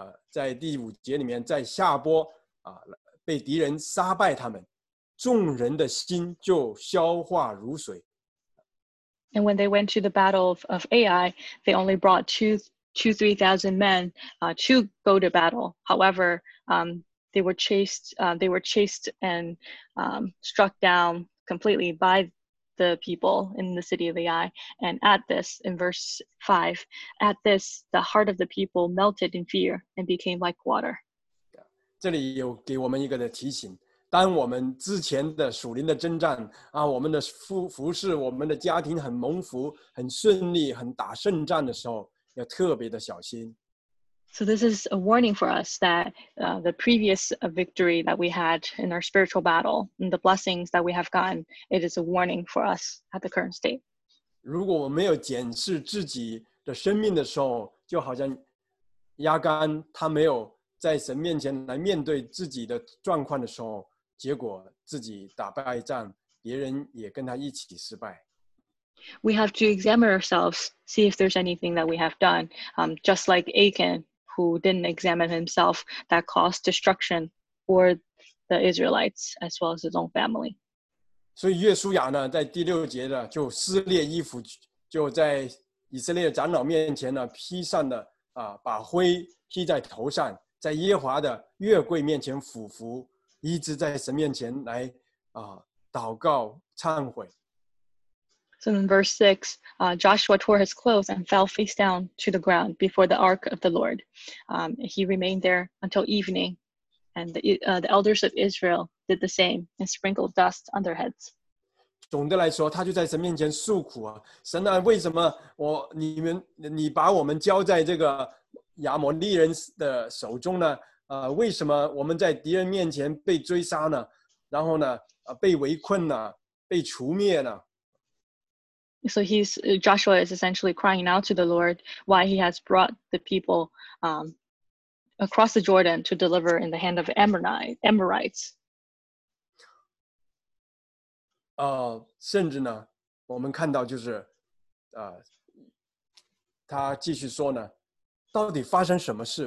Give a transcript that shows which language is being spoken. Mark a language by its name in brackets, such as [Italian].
[Chinese] 在第五节里面，在下播被敌人杀败他们，众人的心就消化如水。 [English] And when they went to the battle of Ai, they only brought two, three thousand men to go to battle. However, they were chased and struck down completely by the people in the city of Ai. And at this, in verse 5, at this, the heart of the people melted in fear and became like water. [Chinese] 这里有给我们一个的提醒，当我们之前的属灵的征战啊，我们的服侍，我们的家庭很蒙福，很顺利，很打胜仗的时候，要特别的小心。 [English] So this is a warning for us that the previous victory that we had in our spiritual battle and the blessings that we have gotten, it is a warning for us at the current state. [Chinese] 如果我没有检视自己的生命的时候，就好像亚干他没有在神面前来面对自己的状况的时候，结果自己打败仗，别人也跟他一起失败。 [English] We have to examine ourselves, see if there's anything that we have done, just like Achan. Who didn't examine himself that caused destruction for the Israelites as well as his own family. [Chinese] 所以约书亚呢，在第六节呢，就撕裂衣服，就在以色列长老面前呢，披上了啊，把灰披在头上，在耶和华的月柜面前俯伏，一直在神面前来啊，祷告忏悔。 [English] So in verse 6, Joshua tore his clothes and fell face down to the ground before the ark of the Lord. He remained there until evening, and the elders of Israel did the same and sprinkled dust on their heads. [Chinese] 总的来说，他就在神面前诉苦啊，神啊，为什么你把我们交在这个亚摩利人的手中呢？为什么我们在敌人面前被追杀呢？然后呢，被围困呢，被除灭呢？ [English] So Joshua is essentially crying out to the Lord why he has brought the people across the Jordan to deliver in the hand of Amorites. [Chinese] 甚至呢，我们看到就是，他继续说呢，到底发生什么事？